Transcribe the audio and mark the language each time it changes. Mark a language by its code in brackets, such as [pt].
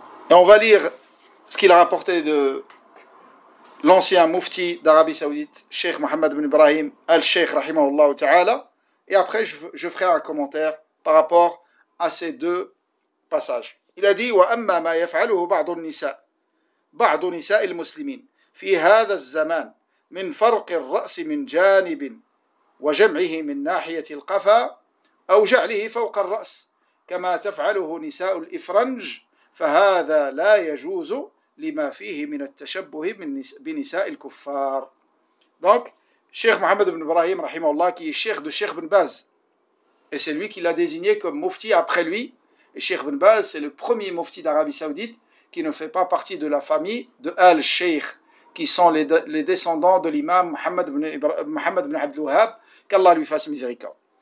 [fr] Et on va lire ce qu'il a rapporté de l'ancien mufti d'Arabie Saoudite, Cheikh Mohammed ibn Ibrahim al-Sheikh, rahimahullah ta'ala. Et après, je ferai un commentaire par rapport à ces deux passages. Il a dit [ar] « وَأَمَّا مَا يَفْعَلُهُ بَعْضُ النِّسَاءِ بَعْضُ نِسَاءِ الْمُسْلِمِينَ فِي هَذَا الزَّمَانِ من فرق الرأس من جانب وجمعه من ناحية القفا أو جعله فوق الرأس كما تفعله نساء الإفرنج فهذا لا يجوز لما فيه من التشبه بنساء الكفار. [fr] Donc, Cheikh Mohammed ibn Ibrahim, rahimahullah, qui est Cheikh de Cheikh Ibn Baz. Et c'est lui qui l'a désigné comme mufti après lui. Et Cheikh Ibn Baz, c'est le premier mufti d'Arabie Saoudite qui ne fait pas partie de la famille de Al-Sheikh, qui sont les descendants de l'imam Mohammed ibn Abdul Wahhab, qu'Allah lui fasse miséricorde.